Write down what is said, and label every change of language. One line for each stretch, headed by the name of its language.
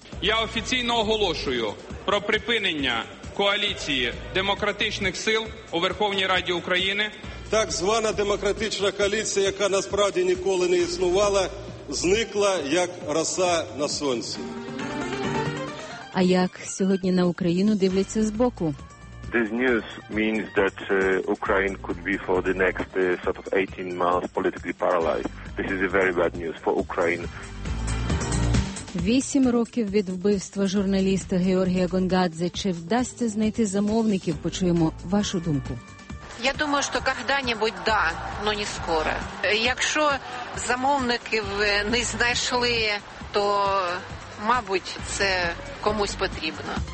Ukrainian: Я офіційно оголошую про припинення коаліції демократичних сил у Верховній Раді України. Так звана демократична коаліція, яка насправді ніколи не існувала, зникла як роса на сонці. А як сьогодні на Україну дивляться збоку?
English: This news means that Ukraine could be for the next sort of 18 months politically paralyzed. This is a very bad news for Ukraine.
Ukrainian: 8 років від вбивства журналіста Георгія Гонгадзе. Чи вдасться знайти замовників? Почуємо вашу думку. Я думаю, що коли-небудь
Russian: да, но не скоро.
Ukrainian: Якщо замовників не знайшли, то, мабуть, це комусь потрібно.